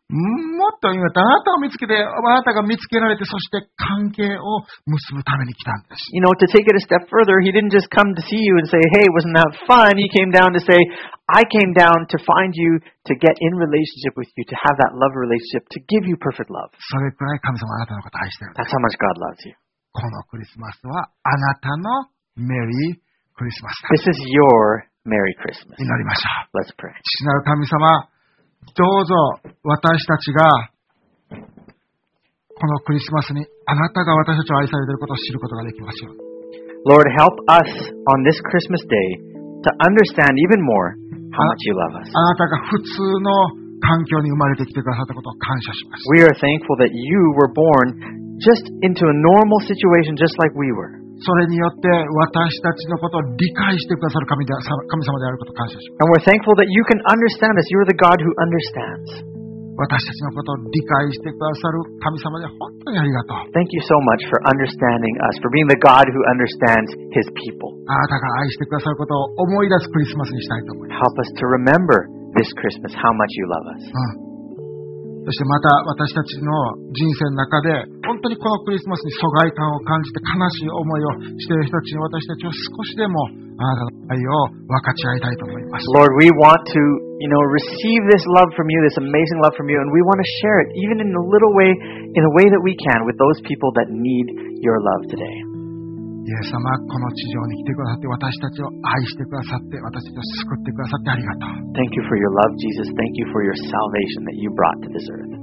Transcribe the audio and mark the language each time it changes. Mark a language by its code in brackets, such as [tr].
[ja] もっと言うと、あなたを見つけて、あなたが見つけられて、そして関係を結ぶために来たんです。 [en] You know, to take it a step further, he didn't just come to see you and say, hey, wasn't that fun? He came down to say, I came down to find you, to get in relationship with you, to have that love relationship, to give you perfect love. [ja] それくらい神様はあなたのことを愛してるんです。 [en] That's how much God loves you. [ja] このクリスマスはあなたのメリークリスマスだ。 [en] This is your Merry Christmas. [ja] 祈りましょう。 [en] Let's pray. [ja] 父なる神様、どうぞ私たちがこのクリスマスにあなたが私たちを愛されていることを知ることができますように。 [en] Lord, help us on this Christmas day to understand even more how much you love us. [ja] あなたが普通の環境に生まれてきてくださったことを感謝します。 [en] We are thankful that you were born just into a normal situation just like we were. [ja] それによって私たちのことを理解してくださる神様であることを感謝します。 [en] And we're thankful that you can understand us. You're the God who understands. [ja] 私たちのことを理解してくださる神様で本当にありがとう。 [en] Thank you so much for understanding us, for being the God who understands His people. [ja] あなたが愛してくださることを思い出すクリスマスにしたいと思います。 [en] Help us to remember this Christmas how much you love us.、 [ja] うん、そしてまた私たちの人生の中で本当にこのクリスマスに疎外感を感じて悲しい思いをしている人たちに私たちを少しでもあなたの愛を分かち合いたいと思います。 [en] Lord, we want to, you know, receive this love from you, this amazing love from you, and we want to share it even in a little way, in a way that we can, with those people that need your love today. [ja] イエス様、この地上に来てくださって私たちを愛してくださって私たちを救ってくださってありがとう。 [en] Thank you for your love, Jesus. Thank you for your salvation that you brought to this earth.